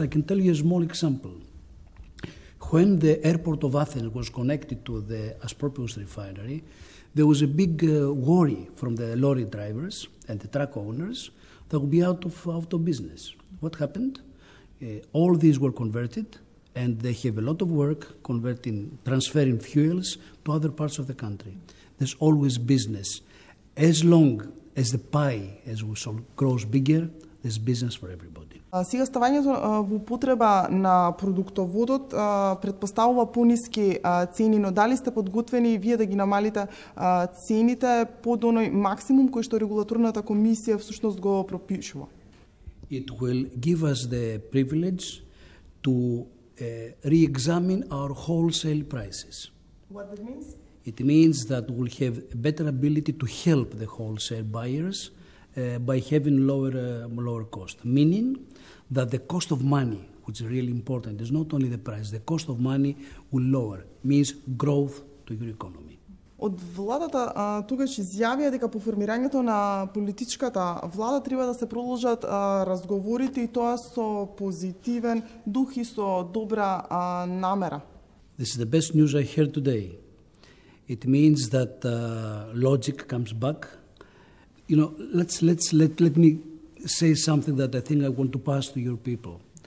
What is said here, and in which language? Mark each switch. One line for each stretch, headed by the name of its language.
English: I can tell you a small example. When the airport of Athens was connected to the Aspropyrgos refinery, there was a big worry from the lorry drivers and the truck owners that would be out of business. What happened? All these were converted, and they have a lot of work converting, transferring fuels to other parts of the country. There's always business. As long as the pie grows bigger, there's business for everybody.
Macedonian: Сега ставањето во употреба на продуктоводот предпоставува пониски цени, но дали сте подготвени вие да ги намалите цените под оној максимум кој што регулаторната комисија всушност го пропишува?
English: It will give us the privilege to re-examine our wholesale prices. What that means? It means that we'll have a better ability to help the wholesale buyers by having lower cost, meaning that the cost of money, which is really important, is not only the price, the cost of money will lower, means growth to your economy.
Macedonian: Од владата тогаш изјавија дека по формирањето на политичката влада треба да се продолжат разговорите и тоа со позитивен дух и со добра намера.
English: This is the best news I heard today. It means that logic comes back. You know, let me say something that I think I want to pass to your people.